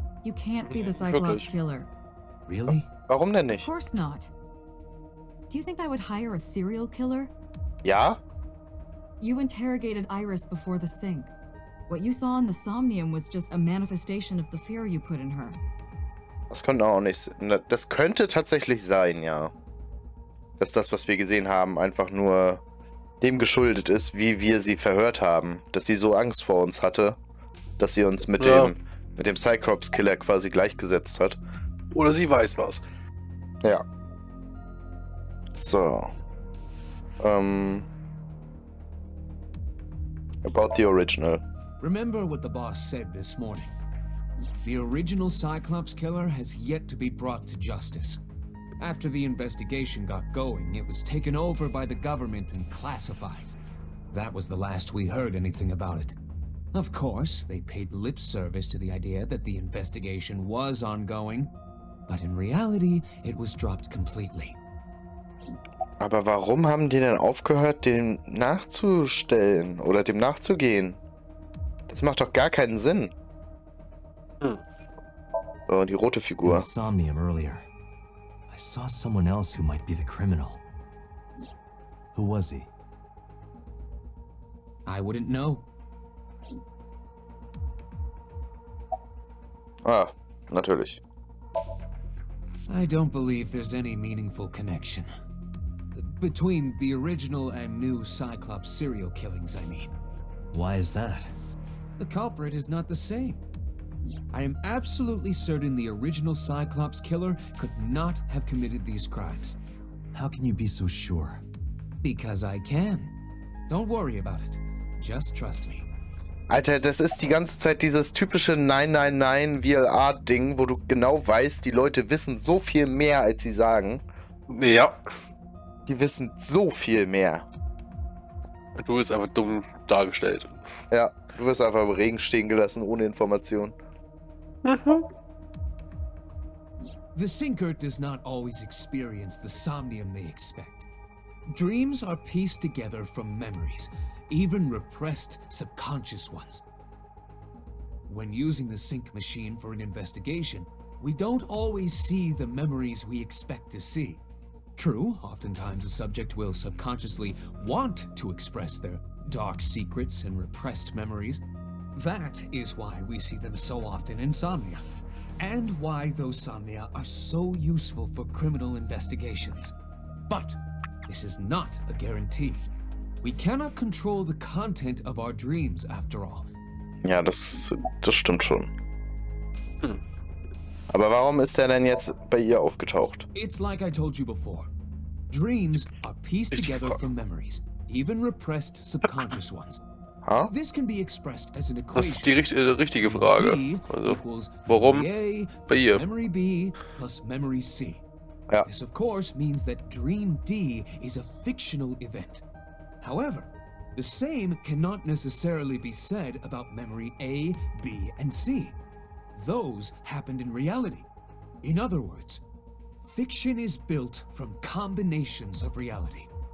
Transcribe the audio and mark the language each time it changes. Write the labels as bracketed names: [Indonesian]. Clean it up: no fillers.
[English] You can't be the Cyclops killer. Really? [German] Warum denn nicht? [English] Of course not. Do you think I would hire a serial killer? [German] Ja. [English] You interrogated Iris before the sink. What you saw in the Somnium was just a manifestation of the fear you put in her. [German] Das könnte auch nicht. Das könnte tatsächlich sein, ja. Dass das, was wir gesehen haben, einfach nur dem geschuldet ist, wie wir sie verhört haben. Dass sie so Angst vor uns hatte, dass sie uns mit, ja, mit dem Cyclops-Killer quasi gleichgesetzt hat. Oder sie weiß was. Ja. So. [English] About the original. Remember what the boss said this morning. The original Cyclops killer has yet to be brought to justice. After the investigation got going, it was taken over by the government and classified. That was the last we heard anything about it. Of course, they paid lip service to the idea that the investigation was ongoing, but in reality, it was dropped completely. [German] Aber warum haben die denn aufgehört, dem nachzustellen oder dem nachzugehen? Das macht doch gar keinen Sinn. Oh, die rote Figur. [English] I saw him earlier. I saw someone else who might be the criminal. Who was he? I wouldn't know. [German] Ah, natürlich. [English] I don't believe there's any meaningful connection between the original and new Cyclops serial killings, I mean. Why is that? The culprit is not the same. I am absolutely certain the original Cyclops killer could not have committed these crimes. How can you be so sure? Because I can. Don't worry about it. Just trust me. [German] Alter, das ist die ganze Zeit dieses typische 999-VLR-Ding, wo du genau weißt, die Leute wissen so viel mehr, als sie sagen. Ja. Die wissen so viel mehr. Du wirst einfach dumm dargestellt. Ja. Du wirst einfach im Regen stehen gelassen, ohne Information. [English] The Sinker does not always experience the Somnium they expect. Dreams are pieced together from memories, even repressed subconscious ones. When using the Sink machine for an investigation, we don't always see the memories we expect to see. True, oftentimes a subject will subconsciously want to express their dark secrets and repressed memories. That is why we see them so often in Somnia, and why those Somnia are so useful for criminal investigations. But this is not a guarantee. We cannot control the content of our dreams, after all. [German] Ja, das stimmt schon. Aber warum ist er denn jetzt bei ihr aufgetaucht? [English] It's like I told you before. Dreams are pieced together from memories, even repressed subconscious ones. This can be expressed as an equation. [German] Das ist die richtige Frage. Also, warum bei ihr? [English] Memory B plus memory C. [German] Ja. [English] This of course means that dream D is a fictional event. However, the same cannot necessarily be said about memory A, B and C. Those happened in reality. In other words, fiction is built from combinations of reality.